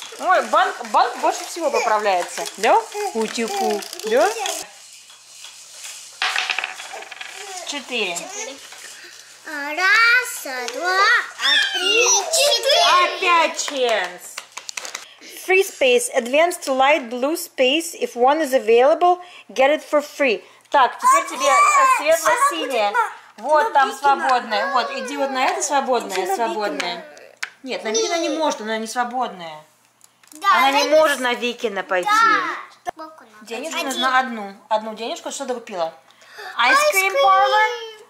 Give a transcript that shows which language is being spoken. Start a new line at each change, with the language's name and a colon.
Russian: Ой, банк больше всего поправляется. Да? Утюку. Да? Четыре. Раз, два, три, четыре. Опять Chance.
English: Free space. Advance to light blue space. If one is available, get it for free.
Russian: Так, теперь тебе светло-синее. Вот там свободное. Вот, иди вот на это свободное. Свободное. Нет, на Викина не может, она не свободная. Да, она не может на Викина пойти. Да. Денежку нужно одну. Одну денежку, что ты купила? Айскрим парлор?